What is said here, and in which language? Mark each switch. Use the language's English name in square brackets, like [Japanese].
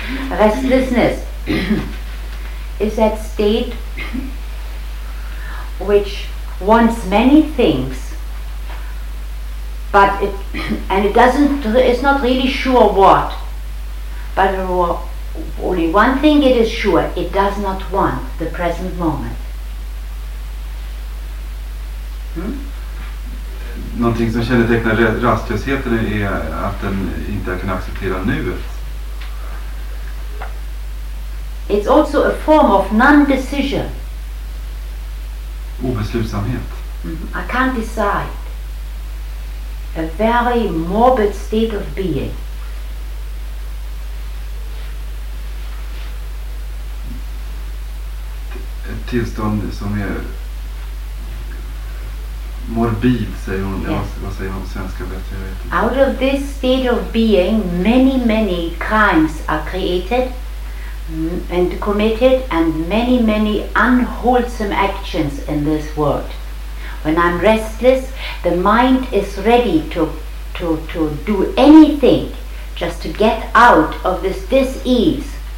[English] Restlessness is that state which wants many things, but it's not really sure what, but only one thing it is sure, it does not want the present moment. [Swedish] Någonting som kännetecknar rastlösheten är att den inte kan acceptera nuet. [English] It's also a form of non-decision. [Swedish] Obeslutsamhet. [English] I can't decide. A very morbid state of being. [Swedish] Ett tillstånd som är morbid, säger hon. [English] Yes. [Swedish] Vad säger hon på svenska bättre? Jag vet inte. [English] Out of this state of being, many, many crimes are created and committed, and many, many unwholesome actions in this world. When I'm restless, the mind is ready to do anything just to get out of this dis-ease.